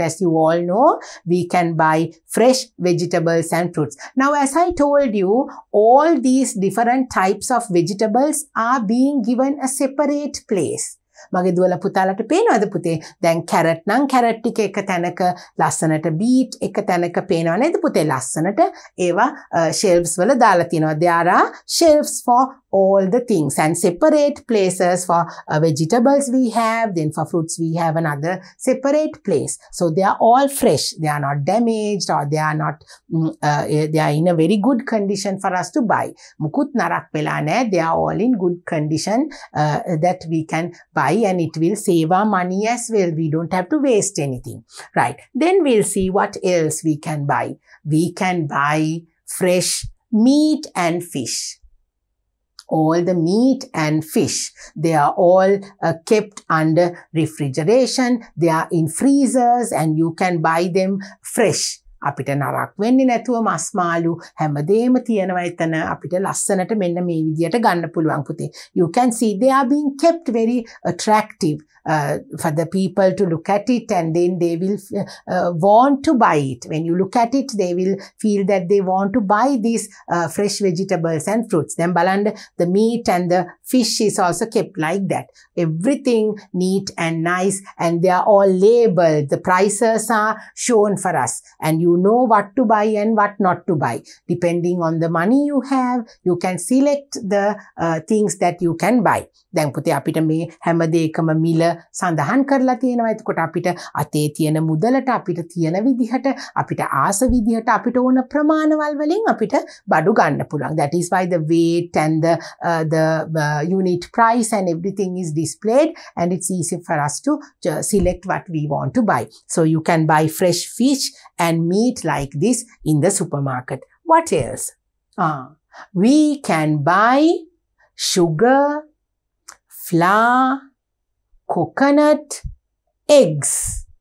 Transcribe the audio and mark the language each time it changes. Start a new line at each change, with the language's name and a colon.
English: As you all know, we can buy fresh vegetables and fruits. Now, as I told you, all these different types of vegetables are being given a separate place.
Sinhala: මගේ දුවලා පුතාලට පේනවද පුතේ? දැන් carrot නම් carrot ටික එක තැනක ලස්සනට බීට් එක තැනක පේනව නේද පුතේ? ලස්සනට ඒවා ෂෙල්ෆ්ස් වල දාලා තිනවා.
English: There are shelves for all the things and separate places for vegetables we have, then for fruits we have another separate place. So they are all fresh. They are not damaged or they are not, they are in a very good condition for us to buy.
Sinhala: මුකුත් නරක් වෙලා නැහැ.
English: They are all in good condition that we can buy and it will save our money as well. We don't have to waste anything. Right. Then we'll see what else we can buy. We can buy fresh meat and fish. All the meat and fish, they are all kept under refrigeration. They are in freezers and you can buy them fresh.
Sinhala: අපිට නරක් වෙන්නේ නැතුව මස් මාළු හැමදේම තියෙනවා එතන අපිට ලස්සනට මෙන්න මේ විදියට ගන්න පුළුවන් පුතේ.
English: You can see they are being kept very attractive for the people to look at it and then they will want to buy it. When you look at it, they will feel that they want to buy these fresh vegetables and fruits. Then බලන්න the meat and the fish is also kept like that. Everything neat and nice and they are all labeled. The prices are shown for us and you know what to buy and what not to buy. Depending on the money you have, you can select the things that you can buy.
Sinhala: දැන් පුතේ අපිට මේ හැම දෙයකම මිල සඳහන් කරලා තියෙනවා. එතකොට අපිට අතේ තියෙන මුදලට අපිට තියෙන විදිහට අපිට ආස විදිහට අපිට ඕන ප්‍රමාණවල වලින් අපිට බඩු ගන්න පුළුවන්.
English: That is why the weight and the unit price and everything is displayed and it's easy for us to select what we want to buy. So you can buy fresh fish and meat like this in the supermarket. What else? We can buy sugar, flour, coconut, eggs.